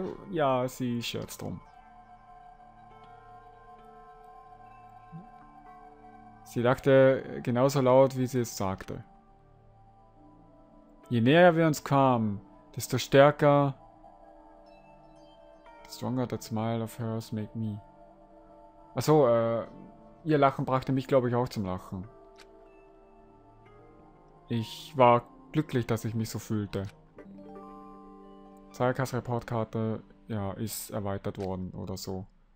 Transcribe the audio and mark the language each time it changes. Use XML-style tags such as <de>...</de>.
<de>Ja, sie scherzt drum. Sie lachte genauso laut, wie sie es sagte. Je näher wir uns kamen, desto stärker.</de> <en>The stronger that smile of hers made me.</en> <de>Achso, ihr Lachen brachte mich, glaube ich, auch zum Lachen. Ich war glücklich, dass ich mich so fühlte. Sayakas Reportkarte, ja, ist erweitert worden oder so.</de>